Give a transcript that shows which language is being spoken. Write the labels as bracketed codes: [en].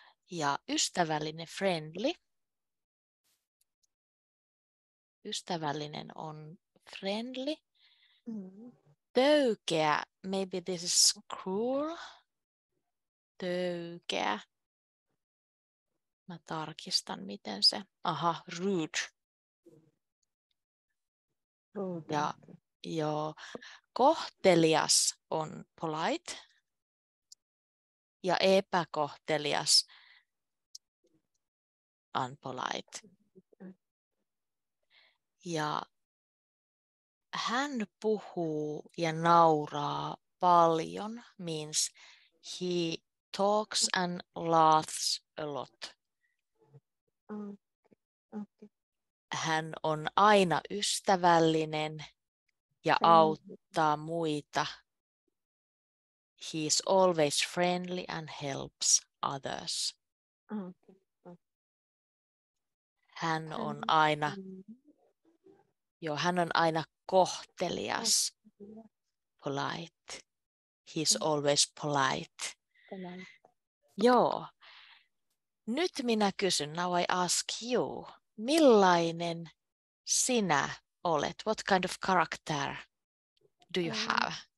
[fi] Ja ystävällinen, friendly. Ystävällinen on friendly. [en] Töykeä, maybe this is cruel. [fi] Töykeä. Mä tarkistan, miten se. Aha, rude. Ja joo. Kohtelias on polite. Ja epäkohtelias, unpolite. Ja hän puhuu ja nauraa paljon, [en] means he talks and laughs a lot. [fi] Hän on aina ystävällinen ja auttaa muita. [en] He is always friendly and helps others. [fi] Hän on aina, hän on aina kohtelias, polite. [en] He is always polite. Joo. [fi] Nyt minä kysyn, [en] now I ask you, [fi] millainen sinä olet? [en] What kind of character do you have?